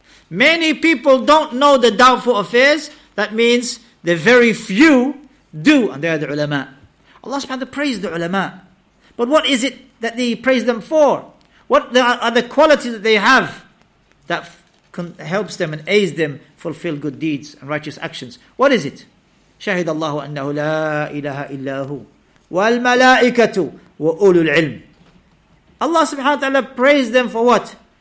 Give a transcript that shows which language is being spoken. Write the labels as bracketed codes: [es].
[en] Many people don't know the doubtful affairs. That means the very few do. And they are the ulama. Allah subhanahu wa ta'ala praised the ulama. But what is it that they praise them for? What are the qualities that they have that helps them and aids them fulfill good deeds and righteous actions? What is it? [ar] شهد الله أنه لا إله إلا هو والملائكة وأولو العلم. [en] Allah subhanahu wa ta'ala praised them for what?